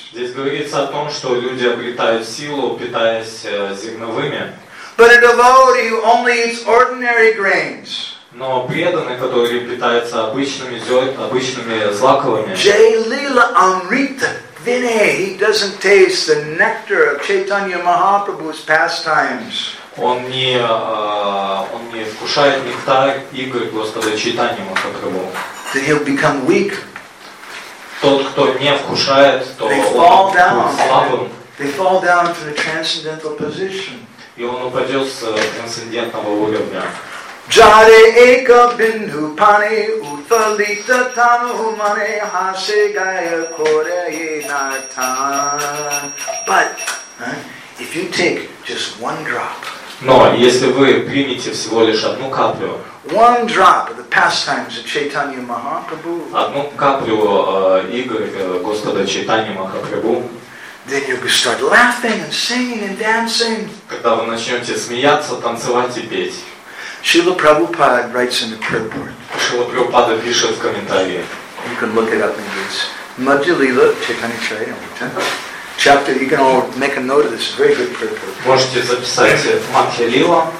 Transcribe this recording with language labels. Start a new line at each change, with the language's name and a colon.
Russian: Здесь говорится о том, что люди обретают силу, питаясь зерновыми.
English: But a devotee who only eats ordinary grains.
Russian: Но преданный, который питается обычными обычными злаковыми.
English: Jalila Amrita Vinay, he doesn't taste the nectar of Chaitanya Mahaprabhu's pastimes.
Russian: Он не вкушает нектар игр Господа Чайтаньи Махапрабху.
English: Then he'll become weak.
Russian: Тот, кто не вкушает, то он слабым.
English: They fall down to the transcendental position.
Russian: И он упадет с трансцендентного уровня.
Bangla: Jare eka bindu pani utalita tanu mane hase gaya kore na tan.
English: But if you take just one drop.
Russian: Но если вы примете всего лишь одну каплю.
English: One drop of the pastimes of Chaitanya Mahaprabhu.
Russian: Одну каплю игр Господа Чайтаньи Махапрабху.
English: Then you can start laughing and singing and dancing.
Russian: Когда вы начнете смеяться, танцевать и петь.
English: Srila Prabhupada writes in the purport.
Russian: Srila Prabhupada пишет в комментарии.
English: You can look it up in this. Madhyalila Chaitanya Charitamrita. Chapter, you can all make a note of this. Very good purport.
Russian: Можете записать в Мадхья-лила.